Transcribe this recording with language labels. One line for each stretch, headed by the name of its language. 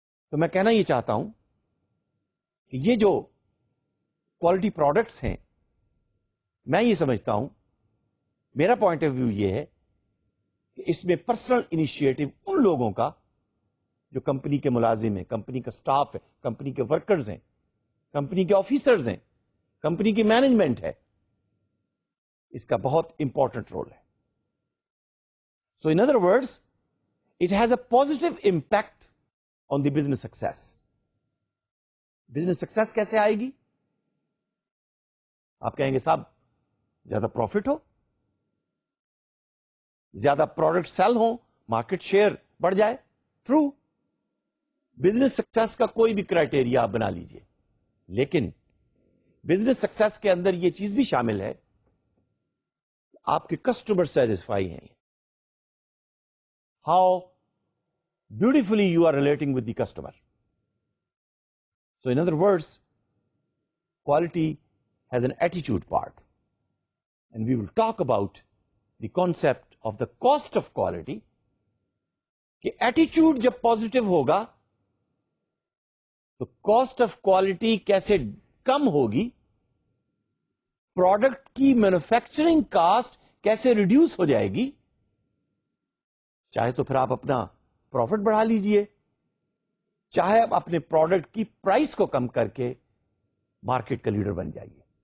Urdu: تو میں کہنا یہ چاہتا ہوں کہ یہ جو کوالٹی پروڈکٹس ہیں, میں یہ سمجھتا ہوں, میرا پوائنٹ آف ویو یہ ہے کہ اس میں پرسنل انیشیٹو ان لوگوں کا جو کمپنی کے ملازم ہیں, کمپنی کا سٹاف ہے, کمپنی کے ورکرز ہیں, کمپنی کے آفیسرز ہیں, کمپنی کی مینجمنٹ ہے, اس کا بہت امپورٹنٹ رول ہے.
English: So in other words it has a positive impact on the business success.
Urdu: Business success کیسے آئے گی؟ آپ کہیں گے صاحب زیادہ پروفٹ ہو, زیادہ پروڈکٹ سیل ہو, مارکیٹ شیئر بڑھ جائے. ٹرو, بزنس سکسیس کا کوئی بھی کرائٹیریا آپ بنا لیجئے, لیکن بزنس سکسیس کے اندر یہ چیز بھی شامل ہے, آپ کے کسٹمر سیٹسفائی ہیں,
English: How beautifully you are relating with the customer. So in other words quality has an ایٹیچیوڈ part, and we will talk about the concept of the cost of quality.
Urdu: کہ ایٹیچیوڈ جب پازیٹو ہوگا تو cost of quality کیسے کم ہوگی, product کی manufacturing cost کیسے reduce ہو جائے گی. چاہے تو پھر آپ اپنا پروفٹ بڑھا لیجئے, چاہے آپ اپنے پروڈکٹ کی پرائس کو کم کر کے مارکیٹ کا لیڈر بن جائیے.